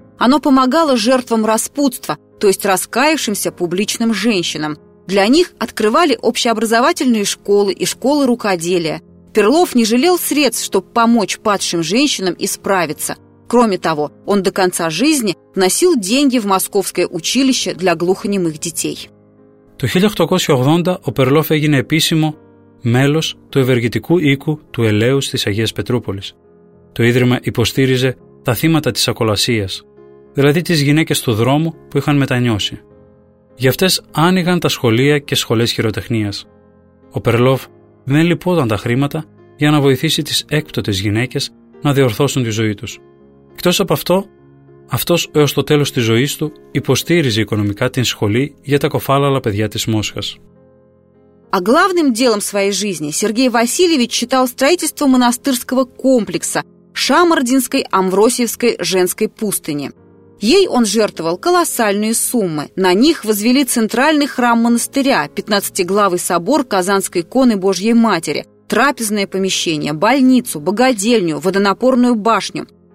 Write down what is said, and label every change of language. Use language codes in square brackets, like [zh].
[ru] Оно помогало жертвам распутства, то есть раскаявшимся публичным женщинам. Для них открывали общеобразовательные школы и школы рукоделия. Перлов не жалел средств, чтобы помочь падшим женщинам исправиться. Кроме того, он до конца жизни вносил деньги в московское училище для глухонемых детей. [el] Το 1880 ο Перλόφ έγινε επίσημο μέλος του ευεργετικού οίκου του Ελέους της Αγίας Πετρούπολης. Το ίδρυμα υποστήριζε τα θύματα της ακολασίας, δηλαδή τις γυναίκες του δρόμου που είχαν μετανιώσει. Για αυτές άνοιγαν τα σχολεία και σχολές χειροτεχνίας. Ο Περλόφ δεν λυπόταν τα χρήματα για να βοηθήσει τις έκπτωτες γυναίκες να διορθώσουν τη ζωή τους. Εκτός από αυτό, Αυτός έως το τέλος της ζωής του υποστήριζε οικονομικά την σχολή για τα κοφάλαλα παιδιά της Μόσχας. [ru] А главным делом своей жизни Сергей Васильевич считал строительство монастырского комплекса Шамардинской Амвросиевской женской пустыни. Ей он жертвовал колоссальные суммы. На них возвели центральный храм монастыря, 15-главый собор Казанской иконы Божьей Матери, трапезное помещение, больницу, богадельню, водонапорную башню.